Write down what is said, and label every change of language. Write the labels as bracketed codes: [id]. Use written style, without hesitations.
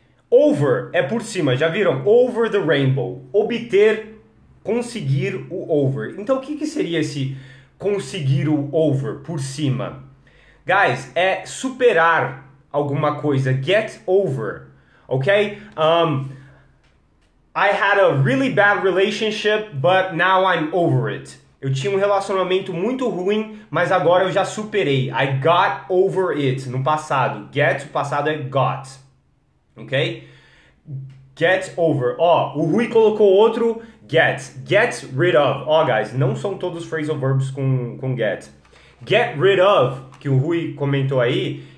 [pt] Over é por cima, já viram? Over the rainbow. Obter, conseguir o over. Então, o que que seria esse conseguir o over por cima? Guys, é superar alguma coisa, get over, ok? [en] I had a really bad relationship, but now I'm over it. [pt] Eu tinha um relacionamento muito ruim, mas agora eu já superei. [en] I got over it [pt] no passado. Get, o passado é got, ok? Get over. Ó, o Rui colocou outro get rid of. Ó, guys, não são todos phrasal verbs com get. Get rid of, que o Rui comentou aí.